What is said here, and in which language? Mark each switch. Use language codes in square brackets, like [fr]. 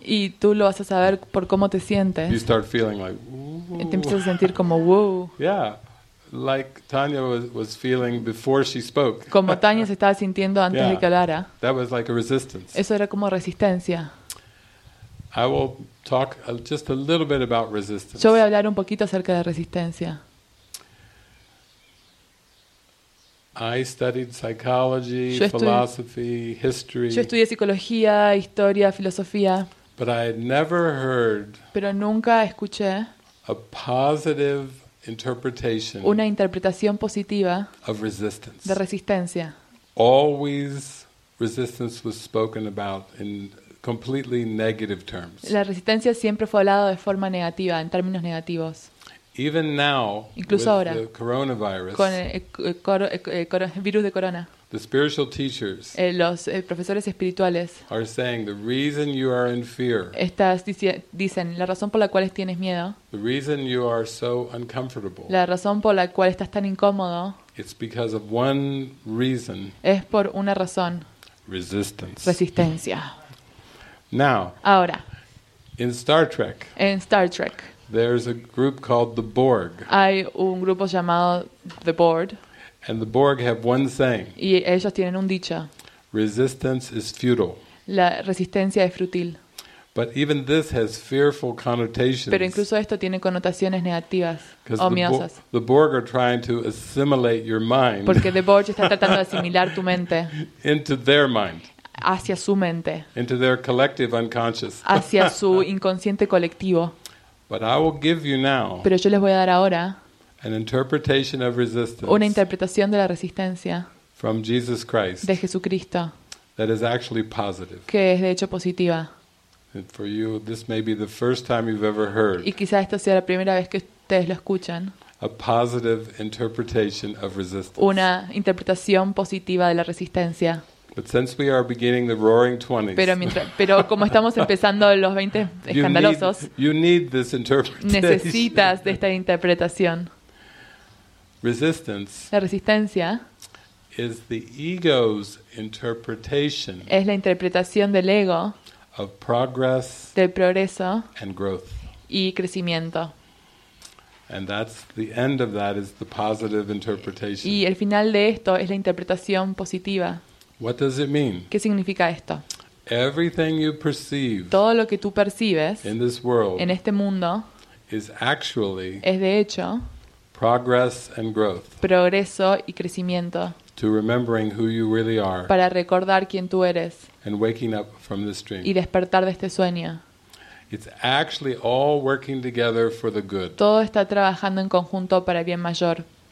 [es] Y tú lo vas a saber por cómo te sientes. [en] You start feeling like. [es] Y te empiezas a sentir como woo. [en] Yeah, like Tanya was feeling before she spoke. [es] Como Tanya se estaba sintiendo antes de que hablara. [en] That was like a resistance. [es] Eso era como resistencia. [en] I will talk just a little bit about resistance. [es] Yo voy a hablar un poquito acerca de resistencia. [en] I studied psychology, philosophy, history. [es] Yo estudié psicología, historia, filosofía. [en] But I had never heard. [es] Pero nunca escuché. [en] A positive interpretation. [es] Una interpretación positiva. [en] Of resistance. [es] De resistencia. [en] Always resistance was spoken about in completely negative terms. [es] La resistencia siempre fue hablado de forma negativa, en términos negativos. [en] Even now, [es] incluso [en] with [es] ahora, [en] the coronavirus, [es] con el virus de corona, [en] the spiritual teachers, [es] los profesores espirituales, [en] are saying the reason you are in fear, [es] estás dicen la razón por la cual tienes miedo, [en] the reason you are so uncomfortable, [es] la razón por la cual estás tan incómodo, [en] it's because of one reason, [es] es por una razón, [en] resistance, [es] resistencia. [en] Now, [es] ahora, [en] in Star Trek, [es] en Star Trek. [en] There's a group called the Borg. [es] Hay un grupo llamado the Borg. [en] And the Borg have one saying. [es] Y ellos tienen un dicho. [en] Resistance is futile. [es] La resistencia es fútil. [en] But even this has fearful connotations. [es] Pero incluso esto tiene connotaciones negativas o miedosas. [en] The Borg are trying to assimilate your mind. [es] Porque the Borg está tratando de asimilar tu mente. [en] Into their mind. [es] Hacia su mente. [en] Into their collective unconscious. [es] Hacia su inconsciente colectivo. [en] But I will give you now. [es] Pero yo les voy a dar ahora. [en] An interpretation of resistance. [es] Una interpretación de la resistencia. [en] From Jesus Christ. [es] De Jesucristo. [en] That is actually positive. [es] Que es de hecho positiva. [en] And for you, this may be the first time you've ever heard. [es] Y quizá esta sea la primera vez que ustedes lo escuchan. [en] a positive interpretation of resistance. [es] Una interpretación positiva de la resistencia. [en] But since we are beginning the roaring 20s, [es] pero como estamos empezando los 20 escandalosos, [en] you need this interpretation. [es] Necesitas de esta interpretación. [en] Resistance. [es] La resistencia. [en] Is the ego's interpretation. [es] Es la interpretación del ego. [en] Of progress. [es] Del progreso. [en] And growth. [es] Y crecimiento. [en] And that's the end of that is the positive interpretation. [es] Y el final de esto es la interpretación positiva. [en] What does it mean? [es] ¿Qué significa esto? [en] Everything you perceive. [es] Todo lo que tú percibes. [en] In this world. [es] En este mundo. [en] Is actually. [es] Es de hecho. [en] Progress and growth. [es] Progreso y crecimiento. [en] To remembering who you really are. [es] Para recordar quién tú eres. [en] And waking up from this dream. [es] Y despertar de este sueño. [en] It's actually all working together for the good. [es] Todo está trabajando en conjunto para el bien mayor.